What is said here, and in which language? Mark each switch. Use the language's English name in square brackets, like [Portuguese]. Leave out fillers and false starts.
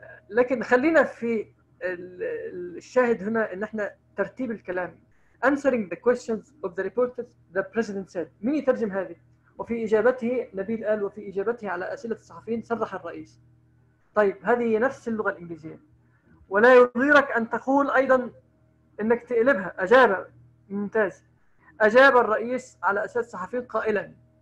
[Arabic] لكن خلينا في الشاهد هنا ان احنا ترتيب الكلام. [English] Answering the questions of the reporters, the president said. [Arabic] مين يترجم هذه؟ وفي اجابته نبيل قال وفي اجابته على اسئلة الصحفيين صرح الرئيس. طيب هذه نفس اللغة الانجليزية. ولا يضيرك ان تقول ايضا انك تقلبها. اجاب، ممتاز. اجاب الرئيس على اسئلة الصحفيين قائلا.